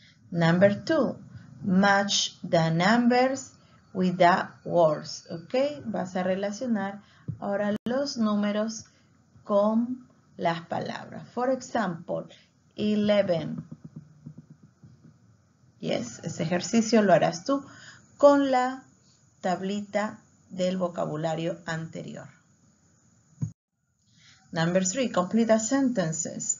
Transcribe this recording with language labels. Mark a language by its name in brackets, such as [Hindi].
[English] Number two, match the numbers with the words. [Spanish] Ok, vas a relacionar ahora los números con las palabras. [English] For example, 11. [Spanish] Yes, ese ejercicio lo harás tú con la tablita del vocabulario anterior. [English] Number three, complete the sentences.